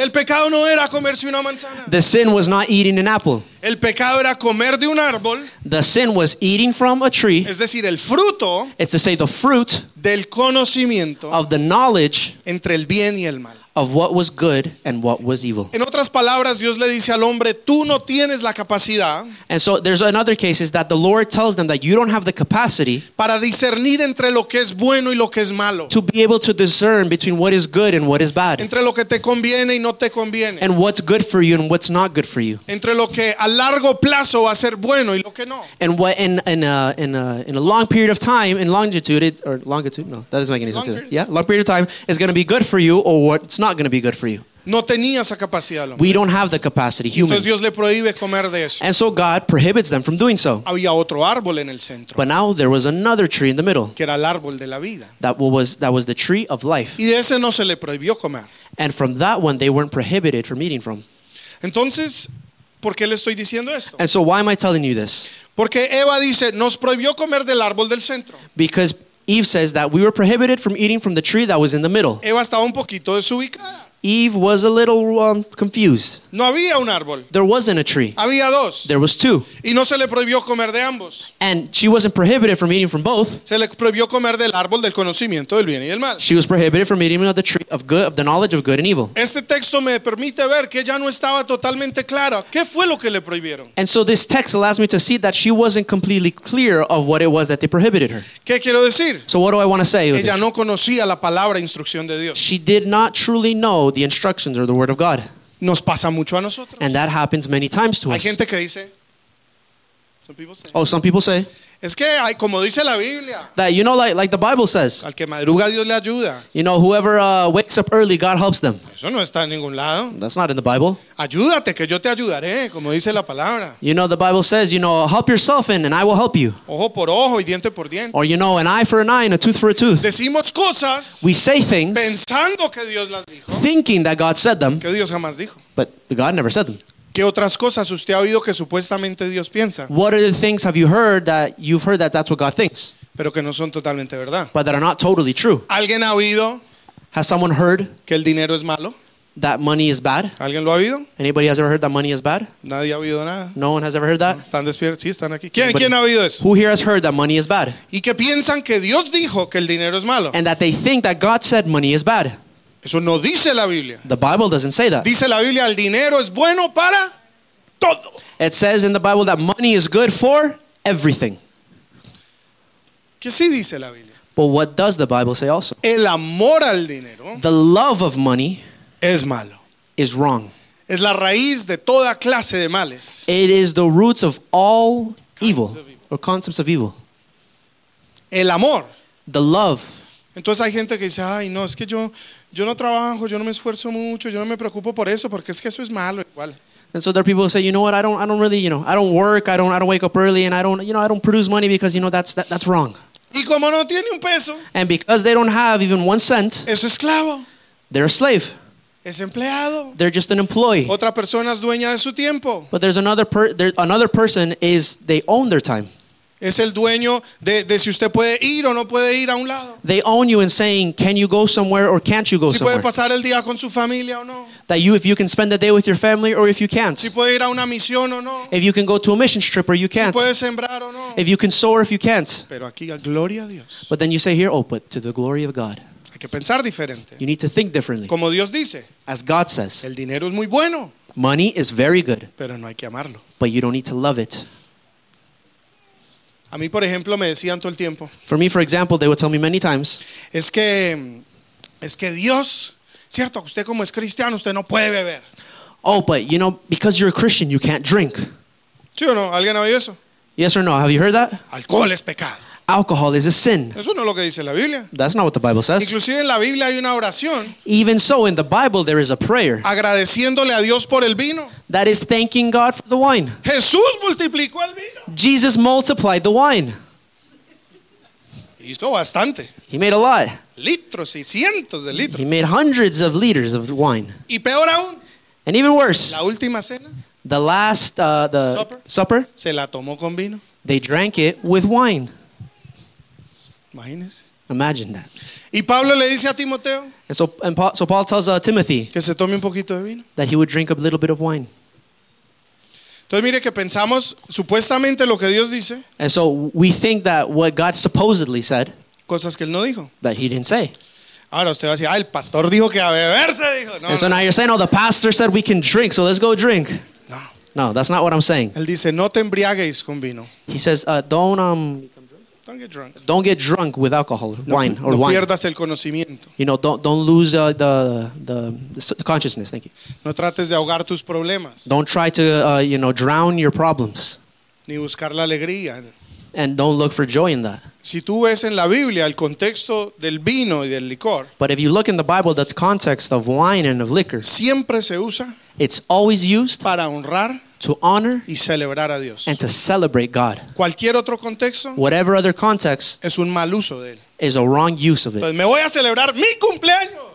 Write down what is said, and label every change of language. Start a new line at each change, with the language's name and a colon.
Spanish: El pecado no era comerse una manzana.
English: The sin was not eating an apple.
Spanish: El pecado era comer de un árbol.
English: The sin was eating from a tree.
Spanish: Es decir, el fruto.
English: It's to say the fruit
Spanish: del conocimiento.
English: Of the knowledge
Spanish: entre el bien y el mal.
English: Of what was good and what was evil.
Spanish: En otras palabras, Dios le dice al hombre, tú no tienes la capacidad.
English: And so there's another case is that the Lord tells them that you don't have the capacity
Spanish: para discernir entre lo que es bueno y lo que es malo.
English: To be able to discern between what is good and what is bad.
Spanish: Entre lo que te conviene y no te conviene.
English: And what's good for you and what's not good for you.
Spanish: Entre lo que a largo plazo va a ser bueno y lo que no.
English: And what in a long period of time, in longitude, or longitude, no, that doesn't make any sense. Yeah, long period of time is going to be good for you or what. It's not going to be good for you.
Spanish: No tenía esa capacidad.
English: We don't have the capacity, humans.
Spanish: Entonces Dios le prohíbe comer de eso.
English: And so God prohibits them from doing so.
Spanish: Había otro árbol en el centro.
English: But now there was another tree in the middle.
Spanish: Que era el árbol de la vida.
English: That was the tree of life.
Spanish: Y de ese no se le prohibió comer.
English: And from that one, they weren't prohibited from eating from.
Spanish: Entonces, ¿Por qué le estoy diciendo esto?
English: And so why am I telling you this?
Spanish: Porque Eva dice, nos prohibió comer del árbol del centro.
English: Because Eve says that we were prohibited from eating from the tree that was in the middle.
Spanish: Eva estaba un poquito desubicada.
English: Eve was a little confused.
Spanish: No había un árbol.
English: There wasn't a tree.
Spanish: Había dos.
English: There was two.
Spanish: Y no se le prohibió comer de ambos.
English: And she wasn't prohibited from eating from both.
Spanish: Se le prohibió comer del árbol del conocimiento del bien y del mal.
English: She was prohibited from eating of the tree of good, of the knowledge of good and evil.
Spanish: Este texto me permite ver que ella no estaba totalmente clara. ¿Qué fue lo que le prohibieron?
English: And so this text allows me to see that she wasn't completely clear of what it was that they prohibited her.
Spanish: ¿Qué quiero decir?
English: So what do I want to say?
Spanish: Ella no conocía la palabra instrucción de Dios.
English: She did not truly know the instructions or the word of God.
Spanish: Nos pasa mucho a nosotros.
English: And that happens many times to
Spanish: hay
English: us.
Spanish: Gente que dice,
English: some people say, oh, some people say,
Spanish: es que hay, como dice la Biblia,
English: that, you know, like the Bible says,
Spanish: al que madruga, Dios le ayuda.
English: You know, whoever wakes up early, God helps them.
Spanish: Eso no está en ningún lado.
English: That's not in the Bible.
Spanish: Ayúdate, que yo te ayudaré, como dice la palabra.
English: You know, the Bible says, you know, help yourself and I will help you.
Spanish: Ojo por ojo y diente por diente.
English: Or, you know, an eye for an eye and a tooth for a tooth.
Spanish: Decimos cosas,
English: we say things,
Spanish: pensando que Dios las dijo,
English: thinking that God said them,
Spanish: que Dios jamás dijo.
English: But God never said them.
Spanish: ¿Qué otras cosas usted ha oído que supuestamente Dios piensa?
English: What are the things have you heard that you've heard that that's what God thinks?
Spanish: Pero que no son totalmente verdad.
English: But that are not totally true.
Spanish: ¿Alguien ha oído?
English: Has someone heard?
Spanish: Que el dinero es malo.
English: That money is bad.
Spanish: ¿Alguien lo ha oído?
English: Anybody has ever heard that money is bad?
Spanish: Nadie ha oído nada.
English: No one has ever heard that.
Spanish: ¿Están despiertos? Sí, están aquí. ¿Quién ha oído eso?
English: Who here has heard that money is bad?
Spanish: ¿Y que piensan que Dios dijo que el dinero es malo?
English: And that they think that God said money is bad.
Spanish: Eso no dice la Biblia.
English: The Bible doesn't say that.
Spanish: Dice la Biblia, el dinero es bueno para todo.
English: It says in the Bible that money is good for everything.
Spanish: ¿Qué sí dice la Biblia?
English: But what does the Bible say also?
Spanish: El amor al dinero.
English: The love of money.
Spanish: Es malo.
English: Is wrong.
Spanish: Es la raíz de toda clase de males.
English: It is the roots of all evil. Or concepts of evil.
Spanish: El amor.
English: The love.
Spanish: Entonces hay gente que dice, ay, no, es que yo no trabajo, yo no me esfuerzo mucho, yo no me preocupo por eso, porque es que eso es malo, igual.
English: And so there are people who say, you know what, I don't really, you know, I don't work, I don't wake up early, and I don't produce money because, you know, that's wrong.
Spanish: Y como no tiene un peso.
English: And because they don't have even 1 cent.
Spanish: Es esclavo.
English: They're a slave.
Spanish: Es empleado.
English: They're just an employee.
Spanish: Otra persona es dueña de su tiempo.
English: But there's another person is, they own their time.
Spanish: Es el dueño de si usted puede ir o no puede ir a un lado.
English: They own you in saying, can you go somewhere or can't you go somewhere?
Spanish: Si puede pasar el día con su familia o no.
English: That you, if you can spend the day with your family or if you can't.
Spanish: Si puede ir a una misión o no.
English: If you can go to a mission trip or you can't.
Spanish: Si puede sembrar o no.
English: If you can sow or if you can't.
Spanish: Pero aquí, gloria a Dios.
English: But then you say here, oh, but to the glory of God.
Spanish: Hay que pensar diferente.
English: You need to think differently.
Spanish: Como Dios dice.
English: As God says.
Spanish: El dinero es muy bueno.
English: Money is very good.
Spanish: Pero no hay que amarlo.
English: But you don't need to love it.
Spanish: A mí, por ejemplo, me decían todo el tiempo.
English: For me, for example, they would tell me many times.
Spanish: Es que Dios, cierto, usted como es cristiano, usted no puede beber.
English: Oh, but you know, because you're a Christian, you can't drink.
Spanish: ¿Sí o no? ¿Alguien ha oído eso?
English: Yes or no? Have you heard that?
Spanish: Alcohol es pecado.
English: Alcohol is a sin.
Spanish: Eso no es lo que dice la Biblia.
English: That's not what the Bible says.
Spanish: Inclusive en la Biblia hay una oración.
English: Even so, in the Bible there is a prayer.
Spanish: Agradeciéndole a Dios por el vino.
English: That is thanking God for the wine.
Spanish: Jesús multiplicó el vino.
English: Jesus multiplied the wine.
Spanish: Hizo bastante.
English: He made a lot.
Spanish: Litros y cientos de litros.
English: He made hundreds of liters of wine.
Spanish: Y peor aún.
English: And even worse.
Spanish: La última cena.
English: The last supper.
Spanish: Se la tomó con vino.
English: They drank it with wine.
Spanish: Imagínese.
English: Imagine that.
Spanish: Y Pablo le dice a Timoteo.
English: And so Paul tells Timothy.
Spanish: Que se tome un poquito de vino.
English: That he would drink a little bit of wine.
Spanish: Entonces mire que pensamos supuestamente lo que Dios dice.
English: And so we think that what God supposedly said.
Spanish: Cosas que él no dijo.
English: That he didn't say.
Spanish: Ahora usted va a decir, ah, el pastor dijo que a beber se dijo. No,
English: and so now you're saying, oh, the pastor said we can drink, so let's go drink.
Spanish: No.
English: No, that's not what I'm saying.
Spanish: Él dice, no te embriagues con vino.
English: He says, Don't get drunk with alcohol, wine or wine.
Spanish: No pierdas el conocimiento.
English: You know, don't lose the consciousness. Thank you.
Spanish: No trates de ahogar tus problemas.
English: Don't try to drown your problems.
Spanish: Ni buscar la alegría.
English: And don't look for joy in that.
Spanish: Si tú ves en la Biblia el contexto del vino y del licor.
English: But if you look in the Bible, the context of wine and of liquor.
Spanish: Siempre se usa.
English: It's always used.
Spanish: Para honrar.
English: To honor
Spanish: y celebrar a Dios.
English: And to celebrate God.
Spanish: Cualquier otro contexto,
English: whatever other context
Spanish: es un mal uso de él.
English: Is a wrong use of it.
Spanish: Entonces, me voy a celebrar mi cumpleaños.